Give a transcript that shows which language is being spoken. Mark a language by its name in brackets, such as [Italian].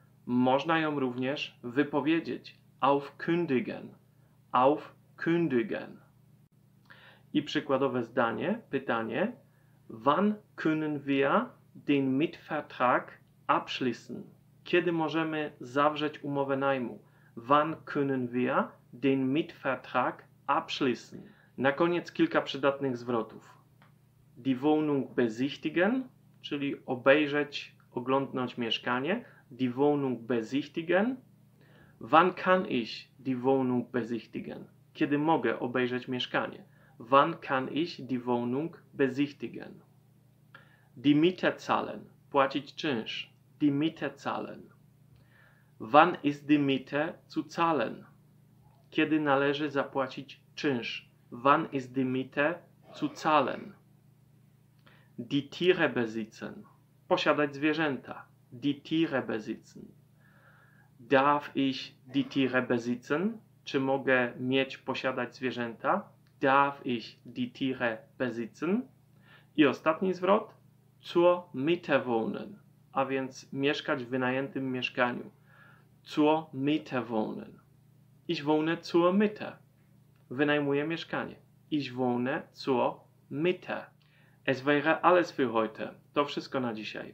[Polish] Można ją również wypowiedzieć, aufkündigen, aufkündigen. I przykładowe zdanie, pytanie: Wann können wir den Mietvertrag abschließen? Kiedy możemy zawrzeć umowę najmu? [German] Wann können wir den Mietvertrag abschließen? [Polish] Na koniec kilka przydatnych zwrotów. Die Wohnung besichtigen, czyli obejrzeć, oglądnąć mieszkanie. [German] Die Wohnung besichtigen. Wann kann ich die Wohnung besichtigen? [Polish] Kiedy mogę obejrzeć mieszkanie? [German] Wann kann ich die Wohnung besichtigen? Die Miete zahlen. Płacić czynsz. Die Miete zahlen. Wann ist die Miete zu zahlen? [Polish] Kiedy należy zapłacić czynsz? [German] Wann ist die Miete zu zahlen? Die Tiere besitzen. Posiadać zwierzęta. Die Tiere besitzen. Darf ich die Tiere besitzen? [Polish] Czy mogę mieć, posiadać zwierzęta? [German] Darf ich die Tiere besitzen? [Polish] I ostatni zwrot. Zur Miete wohnen. A więc mieszkać w wynajętym mieszkaniu. [German] Zur Miete wohnen. Ich wohne zur Miete. Wynajmuję mieszkanie. Ich wohne zur Miete. Es wäre alles für heute. To wszystko na dzisiaj.